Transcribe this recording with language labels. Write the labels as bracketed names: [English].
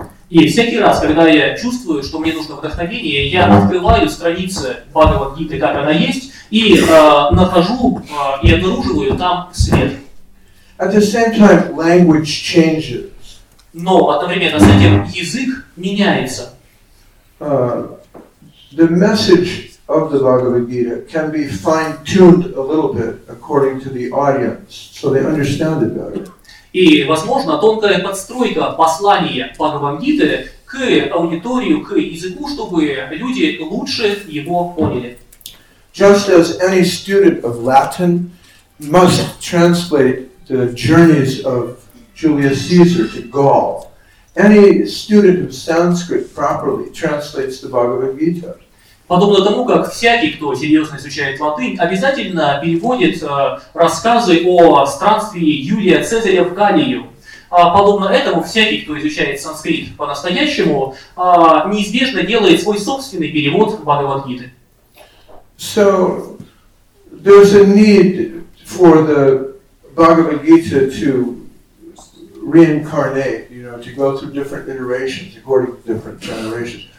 [Russian] И всякий раз, когда я чувствую, что мне нужно вдохновение, я открываю страницы Бхагавад Гиты, как она есть, и нахожу и обнаруживаю там свет. [English] At the same time, language changes. [Russian] Но одновременно с этим язык меняется. [English] The message of the Bhagavad Gita can be fine-tuned a little bit according to the audience, so they understand it better. [Russian] И, возможно, тонкая подстройка послания Бхагавад-гиты к аудитории, к языку, чтобы люди лучше его поняли. [English] Just as any student of Latin must translate the journeys of Julius Caesar to Gaul, any student of Sanskrit properly translates the Bhagavad-gita. [Russian] Подобно тому, как всякий, кто серьезно изучает латынь, обязательно переводит рассказы о странствии Юлия Цезаря в Галлию. Подобно этому, всякий, кто изучает санскрит по-настоящему, неизбежно делает свой собственный перевод Бхагавад-гиты. [English] So, there's a need for the Bhagavad-gita to reincarnate, you know, to go through different iterations, according to different generations.